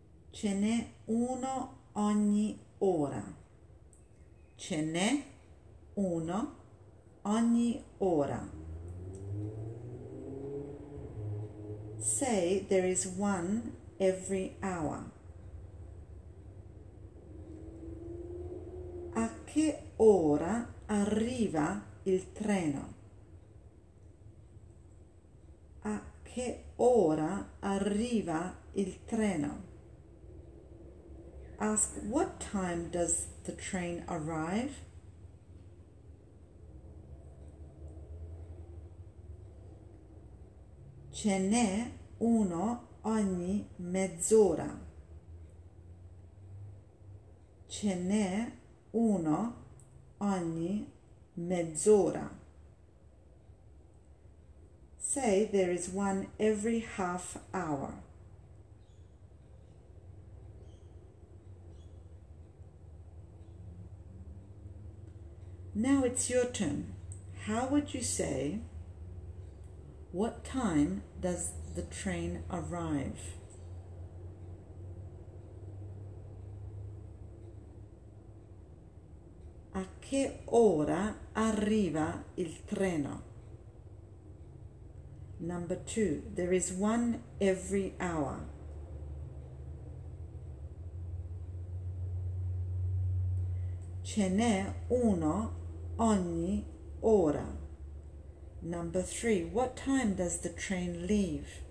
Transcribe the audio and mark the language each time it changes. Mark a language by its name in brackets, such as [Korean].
[Italian] Ce n'è uno ogni ora. Ce n'è uno ogni ora. [English] Say there is one every hour. [Italian] A che ora arriva il treno? A che ora arriva il treno? [English] Ask what time does the train arrive? [Italian] Ce n'è uno ogni mezz'ora. Ce n'è uno ogni mezz'ora. [English] Say there is one every half hour. Now it's your turn. How would you say, what time does the train arrive? [Italian] A che ora arriva il treno? [English] Number two, there is one every hour. [Italian] Ce n'è uno ogni ora. [English] Number three, what time does the train leave?